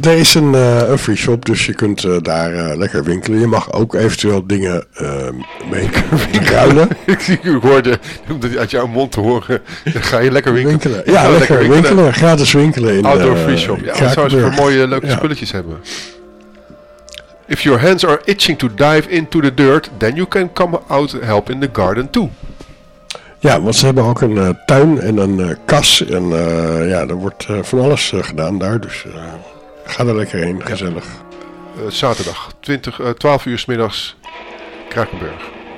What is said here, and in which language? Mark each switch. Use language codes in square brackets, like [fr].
[nl] Er is een free shop, dus je kunt daar lekker winkelen. Je mag ook eventueel dingen meekruilen. ik hoorde, om dat uit jouw mond te horen, ga je lekker winkelen. Ja, lekker winkelen. Gratis winkelen in [en] outdoor free shop. [nl] Ja, dan zou je voor mooie leuke spulletjes hebben. [en] If your hands are itching to dive into the dirt, then you can come out help in the garden too. [nl] Ja, want ze hebben ook een tuin en een kas. En ja, er wordt van alles gedaan daar. Dus ga er lekker heen, gezellig. Ja. Zaterdag, 12 uur 's middags, Krakenburg.